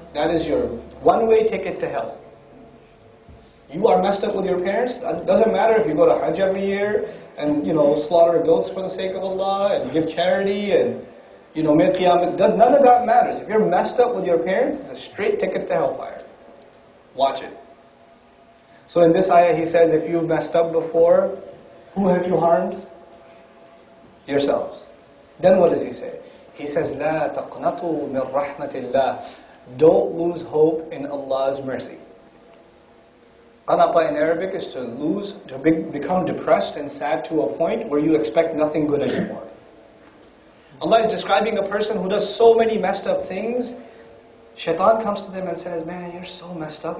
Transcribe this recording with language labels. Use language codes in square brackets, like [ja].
[en] That is your one-way ticket to hell. You are messed up with your parents, it doesn't matter if you go to Hajj every year, and, you know, slaughter goats for the sake of Allah, and give charity, and, you know, make qiyamah. None of that matters. If you're messed up with your parents, it's a straight ticket to hellfire. Watch it. So in this ayah, he says, if you've messed up before, who have you harmed? Yourselves. Then what does he say? He says, [ar] لا تقنطوا من رحمة الله. [en] Don't lose hope in Allah's mercy. Qanata in Arabic is to lose, to become depressed and sad to a point where you expect nothing good anymore. Allah is describing a person who does so many messed up things. Shaitan comes to them and says, man, you're so messed up.